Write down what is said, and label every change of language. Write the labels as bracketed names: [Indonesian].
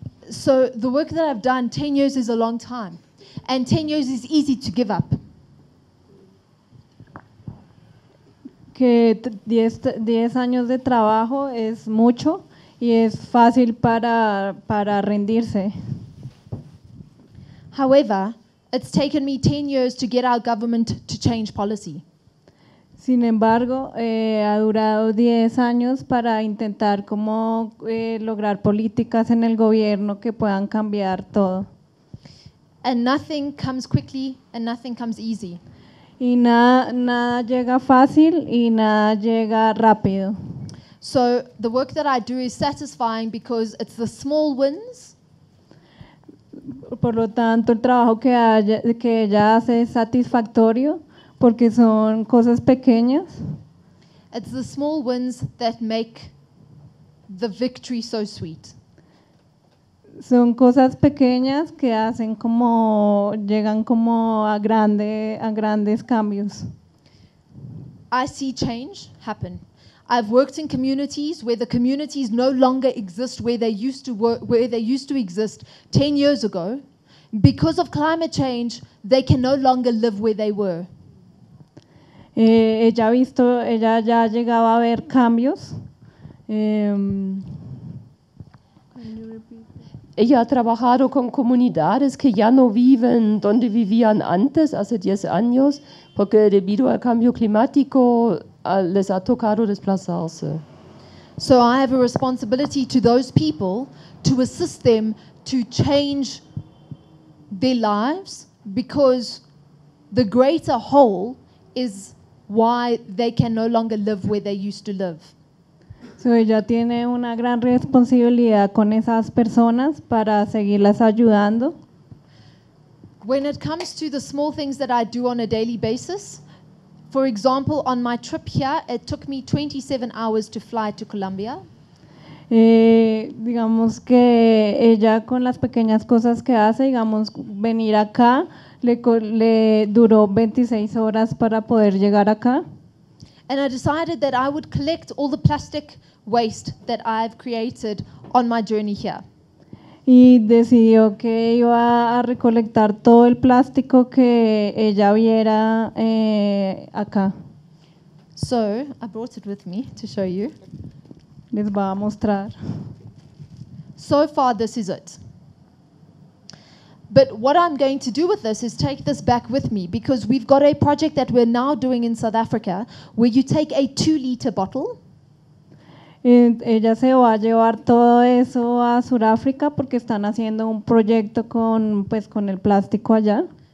[English] So the work that I've done, 10 years is a long time, and 10 years is easy to give up. [Spanish] Que 10 años de trabajo es mucho y es fácil para rendirse. [English] However, it's taken me 10 years to get our government to change policy. [Spanish] Sin embargo, ha durado 10 años para intentar cómo lograr políticas en el gobierno que puedan cambiar todo. [English] And nothing comes quickly and nothing comes easy. [Spanish] Y nada llega fácil y nada llega rápido. [English] So the work that I do is satisfying because it's the small wins. [Spanish] Por lo tanto, el trabajo que ella hace es satisfactorio porque son cosas pequeñas. [English] It's the small wins that make the victory so sweet. [Spanish] Son cosas pequeñas que hacen como llegan como a grandes cambios. [English] I see change happen. I've worked in communities where the communities no longer exist where they used to work, where they used to exist 10 years ago. Because of climate change, they can no longer live where they were. [Spanish] Ella ha visto, ella ya ha llegado a ver cambios. Ella ha trabajado con comunidades que ya no viven donde vivían antes, hace 10 años, porque debido al cambio climático les ha tocado desplazarse. [English] So I have a responsibility to those people to assist them to change their lives because the greater whole is why they can no longer live where they used to live. [Spanish] So ella tiene una gran responsabilidad con esas personas para seguirlas ayudando. [English] When it comes to the small things that I do on a daily basis, for example, on my trip here, it took me 27 hours to fly to Colombia. [Spanish] Digamos que ella con las pequeñas cosas que hace, digamos, venir acá, le duró 26 horas para poder llegar acá. [English] And I decided that I would collect all the plastic waste that I've created on my journey here. [Spanish] Y decidió que iba a recolectar todo el plástico que ella viera acá. [English] So, I brought it with me to show you. [Spanish] Les va a mostrar. [English] So far, this is it. But what I'm going to do with this is take this back with me because we've got a project that we're now doing in South Africa where you take a 2-liter bottle. [Spanish] Ella se va a llevar todo eso a Sudáfrica porque están haciendo un proyecto con, pues, con el plástico allá.